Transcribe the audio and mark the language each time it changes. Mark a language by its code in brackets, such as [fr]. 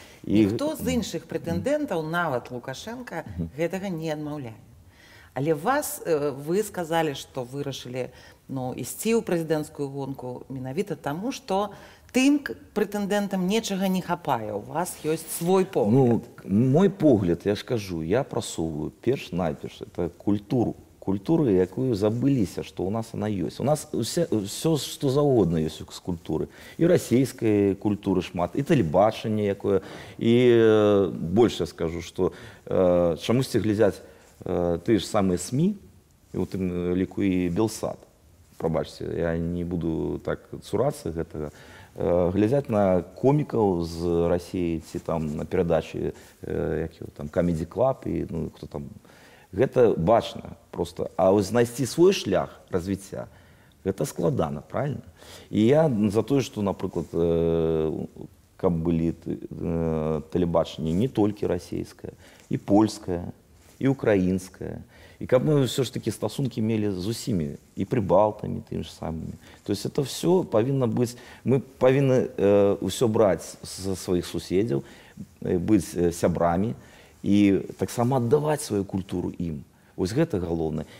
[be] І хто з іншых прэтэндэнтаў, нават Лукашэнка, гэтага не адмаўляе. Але вы сказалі, што вырашылі ісці ў прэзідэнцкую гонку менавіта таму, што тым прэтэндэнтам нечага не хапае, у вас ёсць свой погляд. Мой погляд, я ж кажу, я прасоўваю перш-найперш, это культуру. Культуру, якую забыліся, што ў нас яна ёсць. У нас ўсё, што заўгодна ёсць з культуры. І расійскай культуры шмат, і тэлебачанне якое. І больш я скажу, што чамусьці глядзяць тыя ж самыя СМІ, і ў тым ліку і Белсат. Прабачце, я не буду так цурацца гэтага. Глядзяць на комікаў з Расіі ці там на перадачы, як яго там Камеди Клаб, хто там. Гэта бачна проста. А вось знайсці свой шлях развіцця, гэта складана, правільна? І я за тое, што, напрыклад, каб былі тэлебачанні не толькі расійскае, і польскае, і украінскае, [ru] И как мы все ж таки стосунки имели с усими, и прибалтами, и теми же самыми. То есть это все повинно быть, мы повинны все брать со своих соседей, быть сябрами, и так само отдавать свою культуру им. Вот это главное.